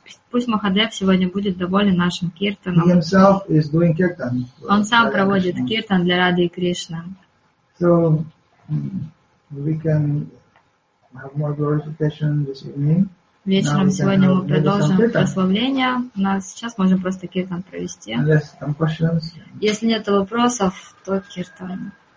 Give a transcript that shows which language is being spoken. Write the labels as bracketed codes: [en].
[ru] Пусть Махадев сегодня будет доволен нашим киртаном. [en] He himself is doing kirtan. [ru] Он сам проводит киртан для Рады и Кришны. [en] So we can have more glorification this evening. [ru] Вечером сегодня мы продолжим прославление. У нас сейчас можем просто киртан провести. Если нет вопросов, то киртан.